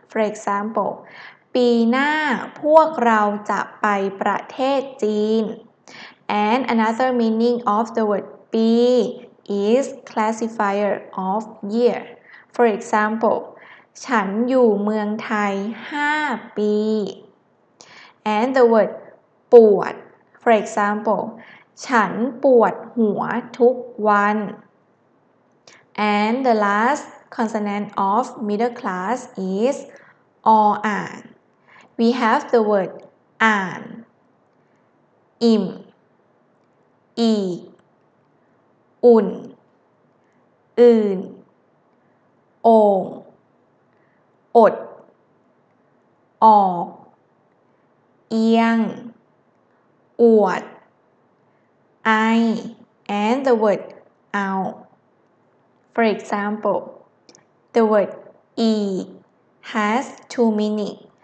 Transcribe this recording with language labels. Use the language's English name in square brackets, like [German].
[English] For example, [Thai] ปีหน้าพวกเราจะไปประเทศจีน. [English] And another meaning of the word ปี is classifier of year. For example, [Thai] ฉันอยู่เมืองไทย5ปี. [English] And the word [Thai] ปวด. [English] For example, [Thai] ฉันปวดหัวทุกวัน. [English] And the last consonant of middle class is อ่าน. We have the word อ่าน, อิ่ม, อีก, อุ่น, อื่น, โอ่ง, อด, ออก, เอียง, อวด, ไอ, and the word เอา. For example, the word อีกhas two meaning.